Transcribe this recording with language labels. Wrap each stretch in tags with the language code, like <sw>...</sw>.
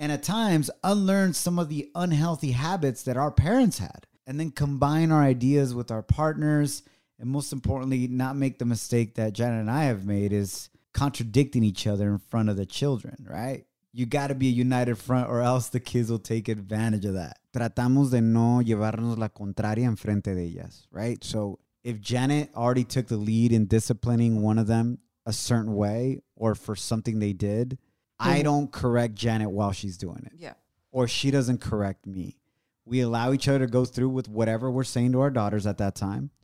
<en>And at times, unlearn some of the unhealthy habits that our parents had. And then combine our ideas with our partners. And most importantly, not make the mistake that Janet and I have made is contradicting each other in front of the children, right? You got to be a united front or else the kids will take advantage of that.</en> <es>Tratamos de no llevarnos la contraria en frente de ellas,</es> <en>right? So if Janet already took the lead in disciplining one of them a certain way or for something they did, mm-hmm. I don't correct Janet while she's doing it. Yeah. Or she doesn't correct me. We allow each other to go through with whatever we're saying to our daughters at that time.</en>